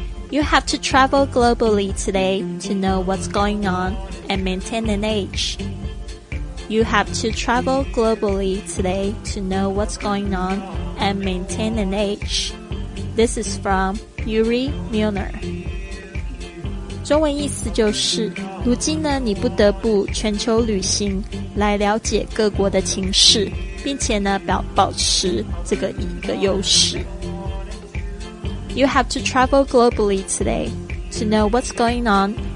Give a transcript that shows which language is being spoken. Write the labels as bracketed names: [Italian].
[English] You have to travel globally today to know what's going onAnd maintain an edge. You have to travel globally today to know what's going on and maintain an edge. This is from Yuri Milner. [Chinese] 中文意思就是，如今呢，你不得不全球旅行来了解各国的情势，并且呢，保持这个一个优势。 [English] You have to travel globally today to know what's going on.